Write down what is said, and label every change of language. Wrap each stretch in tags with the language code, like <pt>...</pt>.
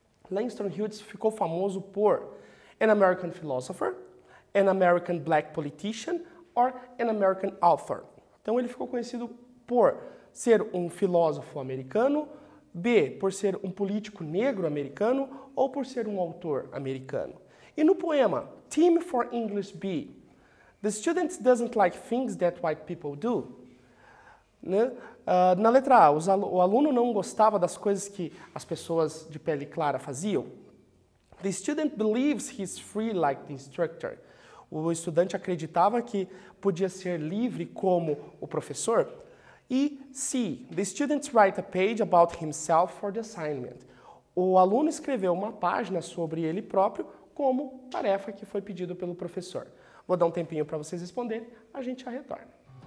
<en>Langston Hughes</en> <pt>ficou famoso por</pt> <en>an American philosopher, an American black politician, or an American author.</en> <pt>Então ele ficou conhecido por ser um filósofo americano, B, por ser um político negro americano, ou por ser um autor americano. E no poema,</pt> <en>Team for English B, the student doesn't like things that white people do.</en> <pt>Né? Na letra A, o aluno não gostava das coisas que as pessoas de pele clara faziam.</pt> <en>The student believes he's free like the instructor.</en> <pt>O estudante acreditava que podia ser livre como o professor.</pt> <en>E C, the student writes a page about himself for the assignment.</en> <pt>O aluno escreveu uma página sobre ele próprio como tarefa que foi pedido pelo professor. Vou dar um tempinho para vocês responderem, a gente já retorna.</pt>